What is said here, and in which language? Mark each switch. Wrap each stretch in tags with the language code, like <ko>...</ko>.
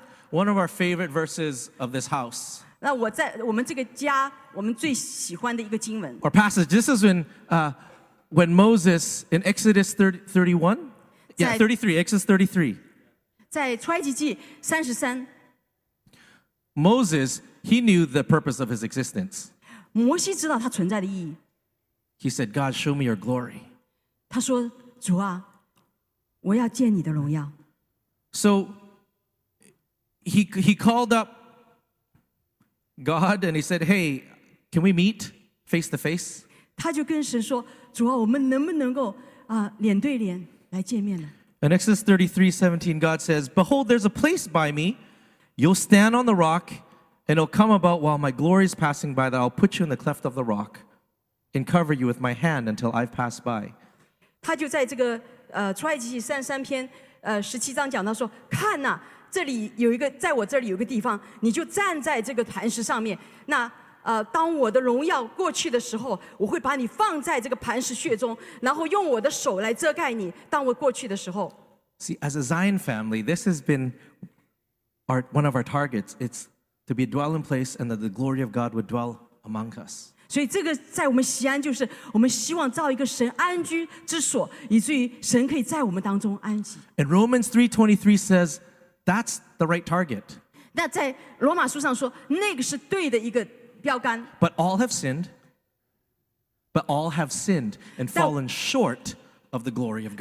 <en>One of our favorite verses of this house.</en> <zh>那我在我们这个家我们最喜欢的一个经文.</zh> <en>Or passage. This is when Moses in Exodus 31. Yeah, 33. Exodus 33.</en> <zh>在出埃及记33.</zh> <en>Moses, he knew the purpose of his existence.</en> <zh>摩西知道他存在的意义.</zh> <en>He said, "God, show me your glory."</en> <zh>他说，主啊，我要见你的荣耀.</zh> <en>So. He called up God and he said, "Hey, can we meet face to face?"</en> <zh>他就跟神说, 主啊, 我们能不能够, 啊, 脸对脸来见面呢?</zh> <en>In Exodus 33:17, God says, Behold, there's a place by me. You'll stand on the rock, and it'll come about while my glory is passing by that I'll put you in the cleft of the rock and cover you with my hand until I've passed by.</en> <zh>他就在这个, 出埃及记33篇, 17章讲到说, 看啊, 这里有一个, 在我这里有个地方, 你就站在这个磐石上面, 那, 当我的荣耀过去的时候, 我会把你放在这个磐石穴中, 然后用我的手来遮盖你, 当我过去的时候。</zh> <en>See, as a Zion family, this has been one of our targets. It's to be a dwelling place and that the glory of God would dwell among us.</en> <zh>所以这个在我们西安就是, 我们希望造一个神安居之所, 以至于神可以在我们当中安息。</zh> <en>And Romans 3:23 says, that's the right target.</en> <zh>那在罗马书上说, 那个是对的一个,</zh> <en>But all have sinned and fallen short of the glory of God.</en>